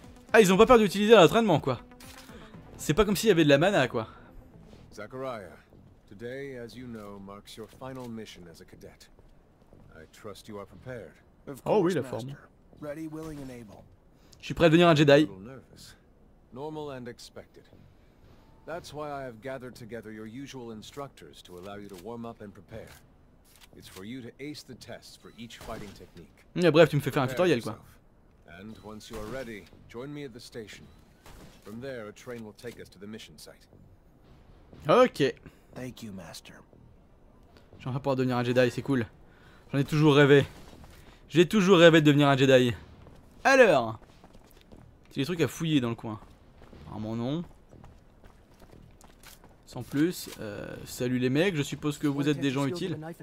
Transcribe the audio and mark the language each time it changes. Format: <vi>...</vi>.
<fr>Ah, ils ont pas peur d'utiliser l'entraînement quoi. C'est pas comme s'il y avait de la mana quoi.</fr> <en>Zachariah, today as you know marks your final mission as a cadet. I trust you are prepared.</en> <fr>Oh oui, la forme.</fr> <en>Ready, willing and able.</en> <fr>Je suis prêt à devenir un Jedi.</fr> <en>Normal and expected. That's why I have gathered together your usual instructors to allow you to warm up and prepare. It's for you to ace the tests for each fighting technique.</en> <fr>Mais bref, tu me fais faire un tutoriel quoi.</fr> <en>And once you are ready, join me at the station. From there, a train will take us to the mission site. Ok. Thank you, Master.</en> <fr>J'ai envie de pouvoir devenir un Jedi, c'est cool. J'en ai toujours rêvé. J'ai toujours rêvé de devenir un Jedi. Alors, c'est des trucs à fouiller dans le coin. Apparemment non. Sans plus, salut les mecs, je suppose que vous êtes des gens utiles.</fr>